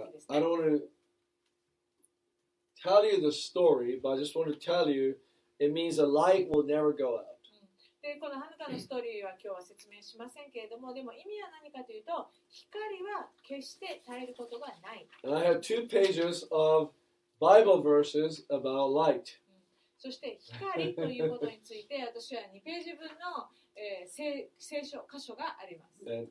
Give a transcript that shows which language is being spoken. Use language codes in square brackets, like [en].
[en] I don't want to tell you the story, but I just want to tell you it means the light will never go out. [ja] でこのハヌカのストーリーは今日は説明しませんけれども、でも意味は何かというと、光は決して絶えることがない。 [en] And I have two pages of Bible verses about light. [ja] そして光ということについて、私は2ページ分の、聖書箇所があります。